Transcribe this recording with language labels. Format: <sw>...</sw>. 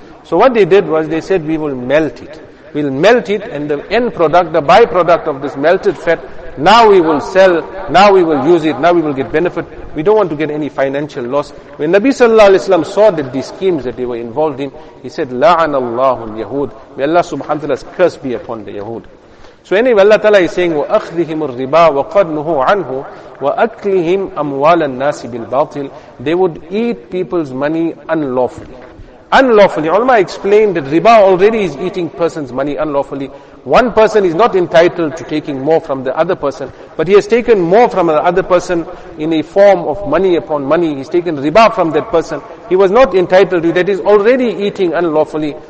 <en>So what they did was they said, we will melt it. We'll melt it, and the end product, the byproduct of this melted fat, now we will sell, now we will use it, now we will get benefit. We don't want to get any financial loss. When Nabi sallallahu alayhi wa sallam saw that these schemes that they were involved in, he said,</en> <ar>La'anallahu al-Yahud.</ar> <en>May Allah subhanahu wa ta'ala's curse be upon the Yahud. So anyway, Allah Ta'ala is saying,</en> <ar>وَأَخْذِهِمُ الرِّبَا وَقَدْنُهُ عَنْهُ وَأَكْلِهِمْ أَمْوَالَ النَّاسِ بِالْبَاطِلِ.</ar> <en>They would eat people's money unlawfully. Unlawfully. Ulama explained that riba already is eating person's money unlawfully. One person is not entitled to taking more from the other person, but he has taken more from the other person in a form of money upon money. He's taken riba from that person. He was not entitled to that. He's already eating unlawfully.</en>